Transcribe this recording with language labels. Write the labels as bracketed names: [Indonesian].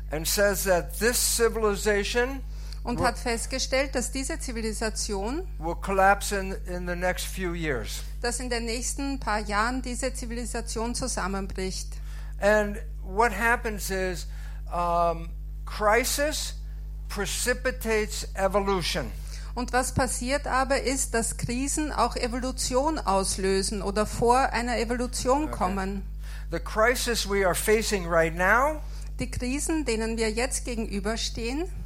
[English] And says that this civilization [German] und hat festgestellt, dass diese Zivilisation [English] will collapse in the next few years. [German] Dass in den nächsten paar Jahren diese Zivilisation zusammenbricht. [English] And what happens is crisis precipitates evolution. [German] Und was passiert aber ist, dass Krisen auch Evolution auslösen oder vor einer Evolution kommen. [English] Okay. The crisis we are facing right now, [German] die Krisen, denen wir jetzt gegenüberstehen,